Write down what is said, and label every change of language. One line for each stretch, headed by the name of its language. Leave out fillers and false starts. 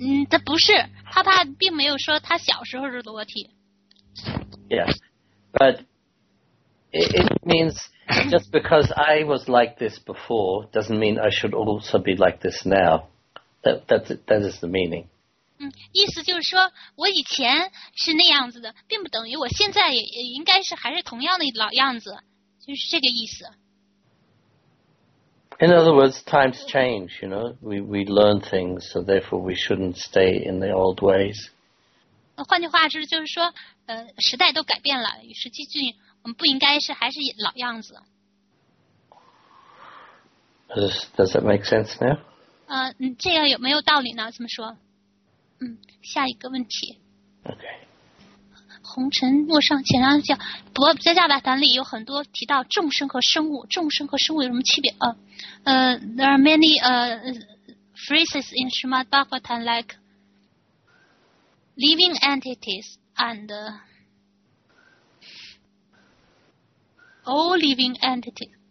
Chinese: 他不是，帕帕并没有说他小时候是裸体。
English: Yes, but it means just because I was like this before doesn't mean I should also be like this now. That is the meaning.
Chinese: 意思就是说我以前是那样子的，并不等于我现在也应该是还是同样的老样子，就是这个意思。
English: In other words, times change, you know. We learn things, so therefore we shouldn't stay in the old ways.
Chinese: 换句话是就是说，时代都改变了，与时俱进，我们不应该是还是老样子。
English: Does that make sense now?
Chinese: 这样有没有道理呢？怎么说？下一个问题。
English: Okay.
Chinese: 红尘陌上，前两讲佛在下白谈里有很多提到众生和生物，众生和生物有什么区别？
English: There are many phrases in Srimad Bhagavatam like living entities and all living entities.